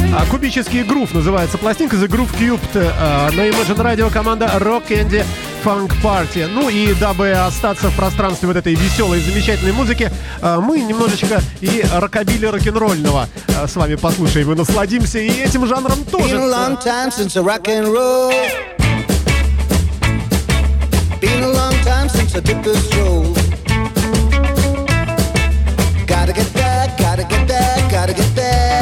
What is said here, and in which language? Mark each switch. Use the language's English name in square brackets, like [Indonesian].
[Russian] Кубический грув называется пластинка The Groove Cubed на Imagine Radio, команда Rock Candy Funk Party. Ну и дабы остаться в пространстве вот этой веселой, замечательной музыки, мы немножечко и рокобили рок-н-ролльного с вами послушаем и насладимся и этим жанром тоже. [English] Been a long time since the rock and roll. Been a long time since I took the stroll. Gotta get back, gotta get back, gotta get back.